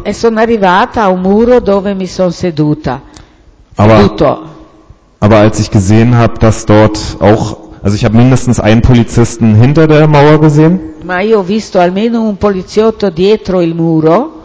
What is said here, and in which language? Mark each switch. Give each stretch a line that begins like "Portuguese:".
Italian: E sono arrivata a un muro dove mi sono seduta. Seduto.
German: Aber als ich gesehen habe, dass dort auch Also ich habe mindestens einen Polizisten hinter der Mauer gesehen.
Italian: Ma io ho visto almeno un poliziotto dietro il muro.